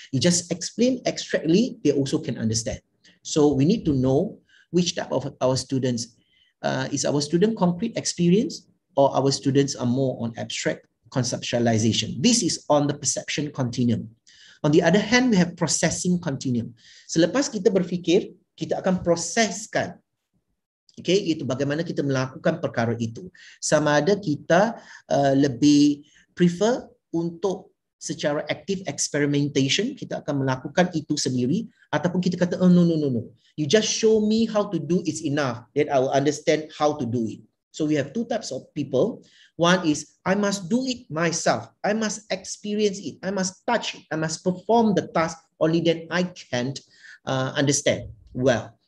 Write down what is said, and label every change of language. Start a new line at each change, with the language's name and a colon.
English: You just explain abstractly, they also can understand. So we need to know which type of our students. Is our student concrete experience or our students are more on abstract conceptualization? This is on the perception continuum. On the other hand, we have processing continuum.
Malay: Selepas kita berfikir, kita akan proseskan. Okay, itu bagaimana kita melakukan perkara itu. Sama ada kita lebih prefer untuk secara active experimentation, kita akan melakukan itu sendiri, ataupun kita kata,
English: oh, no. You just show me how to do, it's enough, then I will understand how to do it. So we have two types of people. One is, I must do it myself. I must experience it. I must touch it. I must perform the task. Only then I can't understand well.